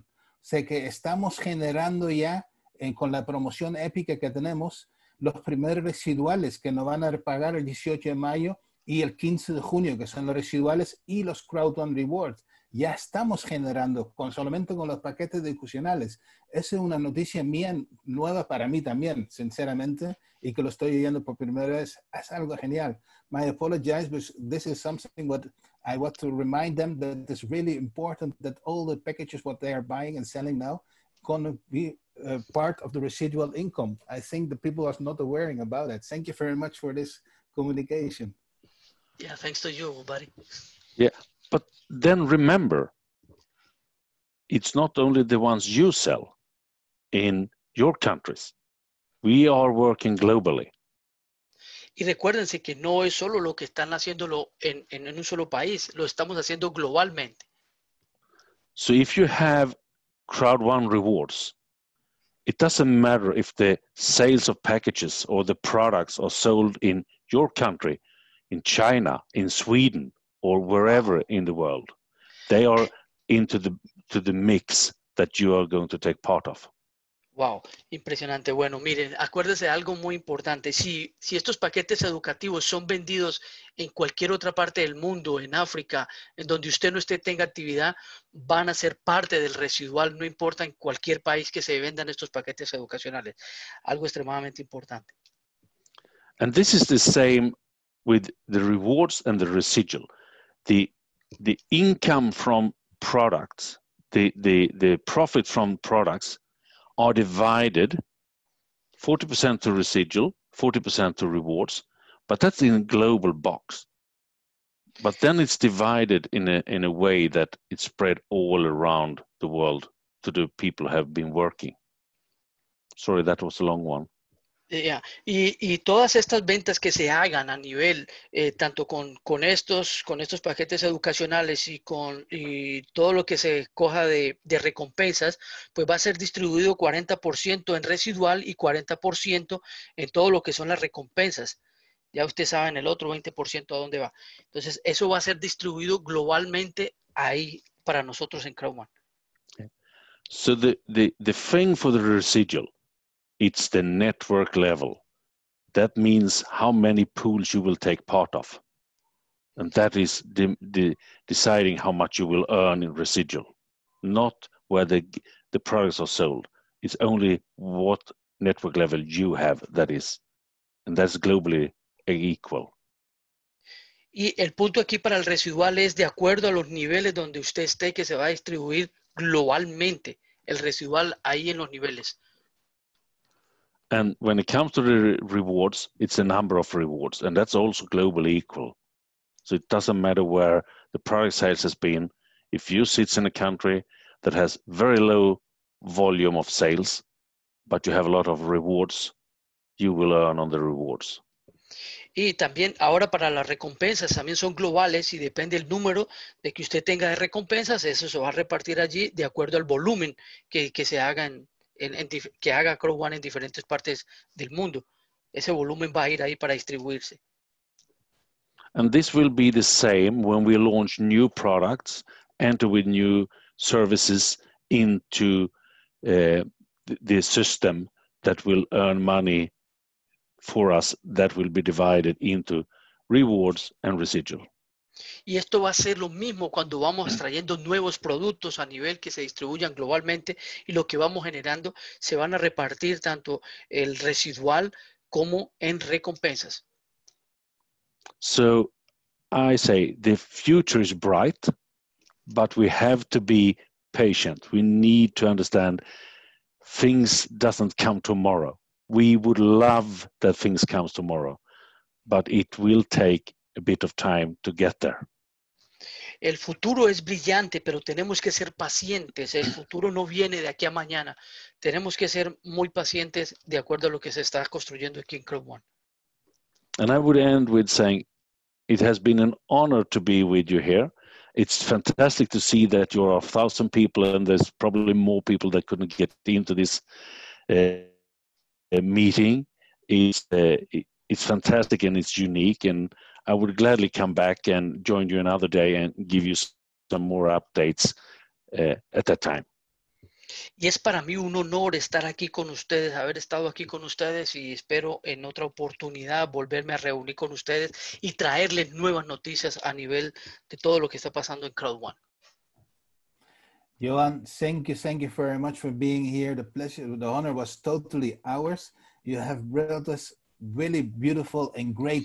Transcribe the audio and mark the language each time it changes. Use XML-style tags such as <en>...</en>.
<es>O sea que estamos generando ya con la promoción épica que tenemos los primeros residuales que nos van a pagar el 18 de mayo y el 15 de junio, que son los residuales y los Crowd1 Rewards. Ya estamos generando solamente con los paquetes educacionales. Esa es una noticia mía nueva para mí también, sinceramente, y que lo estoy viendo por primera vez. Es algo genial.</es> <en>My apologies, but this is something what I want to remind them that it's really important that all the packages what they are buying and selling now going to be part of the residual income. I think the people are not aware about it. Thank you very much for this communication. Yeah, thanks to you, buddy. Yeah, but then remember, it's not only the ones you sell in your countries. We are working globally.</en> <es>Y recuérdense que no es solo lo que están haciéndolo en un solo país, lo estamos haciendo globalmente.</es> <en>So if you have Crowd1 rewards, it doesn't matter if the sales of packages or the products are sold in your country, in China, in Sweden, or wherever in the world. They are into the mix that you are going to take part of.</en> <es>Wow, impresionante. Bueno, miren, acuérdense de algo muy importante. Si estos paquetes educativos son vendidos en cualquier otra parte del mundo, en África, en donde usted no esté, tenga actividad, van a ser parte del residual, no importa en cualquier país que se vendan estos paquetes educacionales. Algo extremadamente importante.</es> <en>And this is the same with the rewards and the residual. The income from products, the profit from products, are divided 40% to residual, 40% to rewards, but that's in a global box. But then it's divided in a way that it's spread all around the world to the people who have been working. Sorry, that was a long one. Yeah.</en> <es>Y todas estas ventas que se hagan a nivel, tanto con estos paquetes educacionales y todo lo que se coja de recompensas, pues va a ser distribuido 40% en residual y 40% en todo lo que son las recompensas. Ya usted sabe en el otro 20% a dónde va. Entonces, eso va a ser distribuido globalmente ahí para nosotros en Crowd1.</es> <en>Okay. So the thing for the residual, it's the network level. That means how many pools you will take part of. And that is the deciding how much you will earn in residual. Not where the products are sold. It's only what network level you have that is. And that's globally equal.</en> <es>Y el punto aquí para el residual es de acuerdo a los niveles donde usted esté que se va a distribuir globalmente. El residual ahí en los niveles.</es> <en>And when it comes to the rewards, it's a number of rewards, and that's also globally equal. So it doesn't matter where the product sales has been. If you sit in a country that has very low volume of sales, but you have a lot of rewards, you will earn on the rewards.</en> <es>Y también ahora para las recompensas, también son globales y depende el número de que usted tenga de recompensas, eso se va a repartir allí de acuerdo al volumen que se haga que haga Crowd1 en diferentes partes del mundo. Ese volumen va a ir ahí para distribuirse.</es> <en>And this will be the same when we launch new products, enter with new services into the system that will earn money for us, that will be divided into rewards and residual.</en> <es>Y esto va a ser lo mismo cuando vamos trayendo nuevos productos a nivel que se distribuyan globalmente y lo que vamos generando se van a repartir tanto el residual como en recompensas.</es> <en>So I say the future is bright, but we have to be patient. We need to understand things doesn't come tomorrow. We would love that things come tomorrow, but it will take a bit of time to get there.</en> <es>El futuro es brillante, pero tenemos que ser pacientes. El futuro no viene de aquí a mañana. Tenemos que ser muy pacientes de acuerdo a lo que se está construyendo aquí en Crowd1.</es> <en>And I would end with saying, it has been an honor to be with you here. It's fantastic to see that you are 1,000 people and there's probably more people that couldn't get into this meeting. It's fantastic and it's unique, and I would gladly come back and join you another day and give you some more updates at that time.</en> <es>Y es para mí un honor estar aquí con ustedes, haber estado aquí con ustedes, y espero en otra oportunidad volverme a reunir con ustedes y traerles nuevas noticias a nivel de todo lo que está pasando en Crowd1.</es> <en>Johan, thank you very much for being here. The pleasure, the honor was totally ours. You have brought us really beautiful and great</en>